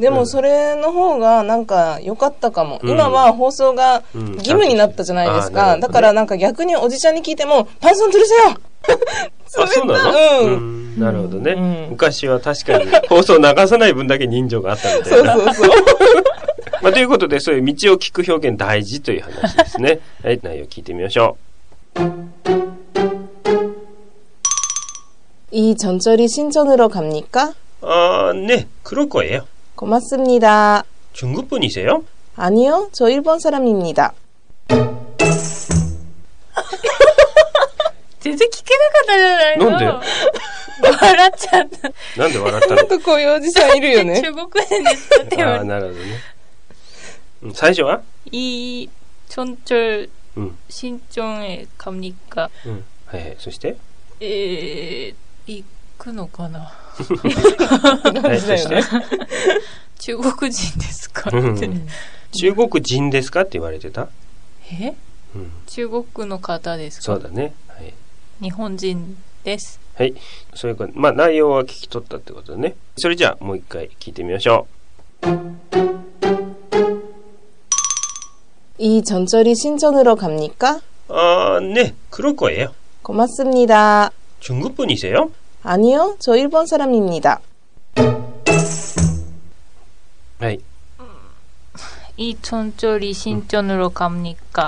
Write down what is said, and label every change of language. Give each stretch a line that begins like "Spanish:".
Japanese: でもそれの方がなんか良かったかも、今は放送が義務になったじゃないですか、だからなんか逆におじちゃんに聞いてもパンソン取りせよあ、そうなの、なるほどね、昔は確かに放送流さない分だけ人情があったみたいなそうそうそうまあ、ということでそういう道を聞く表現大事という話ですね、はい、内容聞いてみましょう。
Korean: 이전철이신촌으로갑니까 아네그럴거예요 고맙습니다 중국분이세요 아니요저일본사람입니다
Japanese: 全然聞けなかったじゃないの。なんで笑っちゃった。なんで笑ったの。とこういうおじさんいるよね。中国人ですって言われ。ああ、なるほどね。最初は？
Korean: 이전철신촌에갑니까。
Japanese: はいはい。そして？行くのかな。はい。そして？中国人ですかって。中国人ですかって言われてた？中国の方ですか。そうだね。はい、日本人です。はい。そういうこと、まあ内容は聞き取ったってことね。それじゃあもう一回聞いてみましょう。
Korean: 이전철이신촌으로갑니까 아네그럴거예요 고맙습니다 중국분이세요 아니요저일본사람입니다 네 이전철이신촌으로갑니까